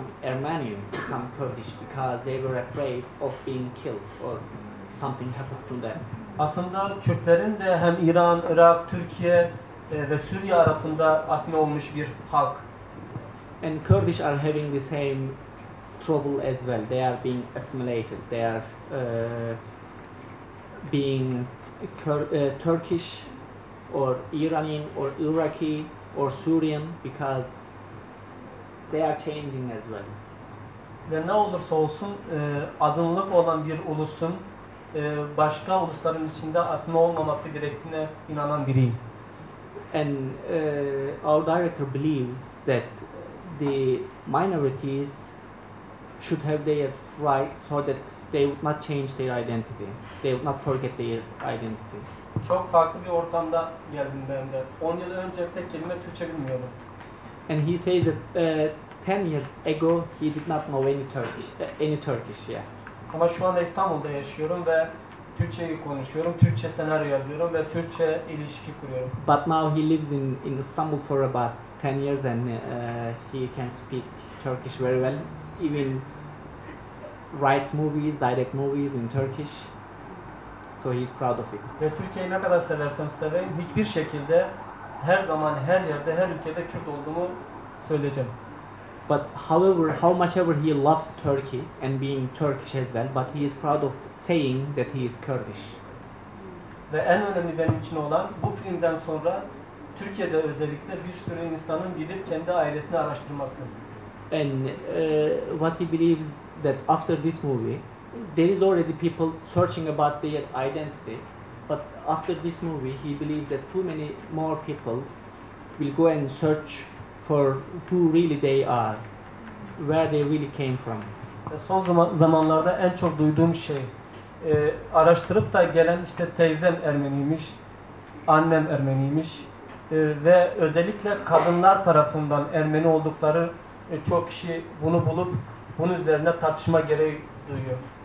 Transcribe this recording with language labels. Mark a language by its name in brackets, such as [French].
[English] Armenians become Kurdish because they were afraid of being killed or something happened to them. [Turkish] Aslında Kürtlerin de hem İran, Irak, Türkiye ve Suriye arasında asma olmuş bir halk. [English] And Kurdish are having the same trouble as well. They are being assimilated. They are being Turkish or Iranian or Iraqi or Syrian because they are changing as well. [Turkish] Ve ne olursa olsun azınlık olan bir ulusun başka ulusların içinde asma olmaması gerektiğine inanan biriyim. [English] And our director believes that the minorities should have their rights so that they would not change their identity. They would not forget their identity. [Turkish] Çok farklı bir ortamda geldim ben de. 10 yıl önce tek kelime Türkçe bilmiyordum. [English] And he says that 10 years ago he did not know any Turkish, yeah. [Turkish] Ama şu anda İstanbul'da yaşıyorum ve Türkçe'yi konuşuyorum, Türkçe senaryo yazıyorum ve Türkçe ilişki kuruyorum. [English] But now he lives in Istanbul for about 10 years and he can speak Turkish very well. Even writes movies, direct movies in Turkish. So he's proud of it. [Turkish] Ve Türkiye'yi ne kadar seversem seveyim, hiçbir şekilde her zaman, her yerde, her ülkede Kürt olduğumu söyleyeceğim. [English] But however, how much ever he loves Turkey and being Turkish as well, but he is proud of saying that he is Kurdish. [Turkish] Ve en önemli benim için olan bu filmden sonra Türkiye'de özellikle bir sürü insanın gidip kendi ailesini araştırması. [English] And what he believes that after this movie, there is already people searching about their identity, but after this movie, he believes that too many more people will go and search for who really they are, where they really came from. [Turkish] Son zamanlarda en çok duyduğum şey, araştırıp da gelen işte teyzem Ermeniymiş, annem Ermeniymiş ve özellikle kadınlar tarafından Ermeni oldukları çok kişi bunu bulup bunun üzerine tartışma gereği duyuyor.